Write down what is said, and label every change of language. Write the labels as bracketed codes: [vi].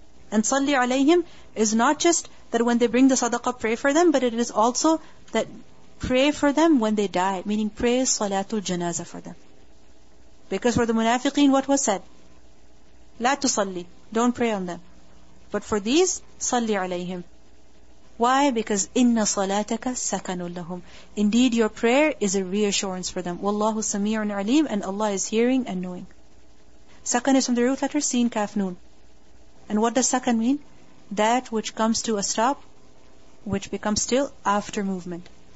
[en] And [ar] صَلِّ عَلَيْهِمْ [en] is not just that when they bring the sadaqah, pray for them, but it is also that pray for them when they die, meaning pray [ar] صَلَاتُ الْجَنَازَةِ [en] for them. Because for the munafiqeen, what was said? [ar] لَا تُصَلِّ, [en] don't pray on them. But for these, [ar] صَلِّ عَلَيْهِمْ. [en] Why? Because [ar] إِنَّ صَلَاتَكَ سَكَنٌ لَهُمْ. [en] Indeed, your prayer is a reassurance for them. [ar] وَاللَّهُ سَمِيعٌ عَلِيمٌ, [en] and Allah is hearing and knowing. Sakan is from the root letter seen kaf noon. And what does sakan mean? That which comes to a stop, which becomes still after movement.